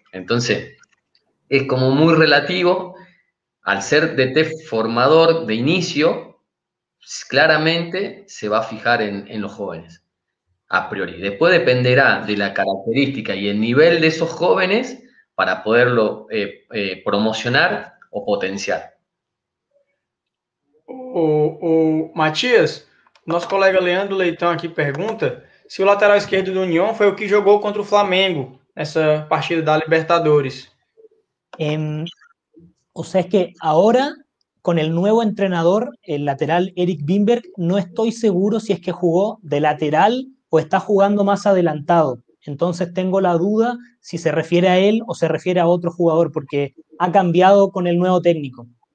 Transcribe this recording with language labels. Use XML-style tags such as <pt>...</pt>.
<es>Entonces, es como muy relativo. Al ser DT formador de inicio, claramente se va a fijar en los jóvenes, a priori. Después dependerá de la característica y el nivel de esos jóvenes para poderlo promocionar o potenciar.</es> <pt>O Matias, nosso colega Leandro Leitão aqui pergunta se o lateral esquerdo do União foi o que jogou contra o Flamengo nessa partida da Libertadores.</pt> <es>O sea, es que ahora, con el nuevo entrenador, el lateral Erik Wimberg, no estoy seguro si es que jugó de lateral o está jugando más adelantado. Entonces tengo la duda si se refiere a él o se refiere a otro jugador, porque ha cambiado con el nuevo técnico.</es>